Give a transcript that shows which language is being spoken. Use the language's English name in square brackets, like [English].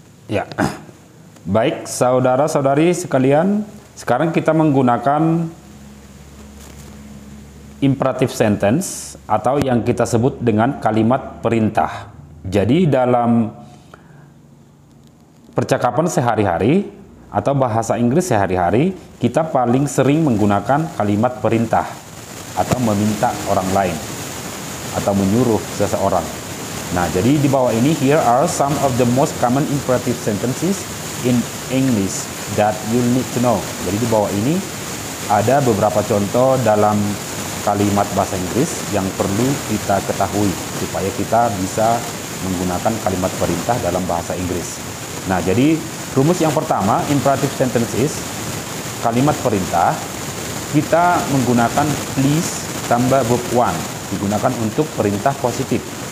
[Indonesian] Ya, baik saudara-saudari sekalian, sekarang kita menggunakan imperative sentence atau yang kita sebut dengan kalimat perintah. Jadi dalam percakapan sehari-hari atau bahasa Inggris sehari-hari, kita paling sering menggunakan kalimat perintah atau meminta orang lain atau menyuruh seseorang. Nah, jadi di bawah ini, [English] here are some of the most common imperative sentences in English that you need to know. [Indonesian] Jadi di bawah ini, ada beberapa contoh dalam kalimat bahasa Inggris yang perlu kita ketahui supaya kita bisa menggunakan kalimat perintah dalam bahasa Inggris. Nah, jadi rumus yang pertama, imperative sentences, kalimat perintah, kita menggunakan please tambah verb one, digunakan untuk perintah positif.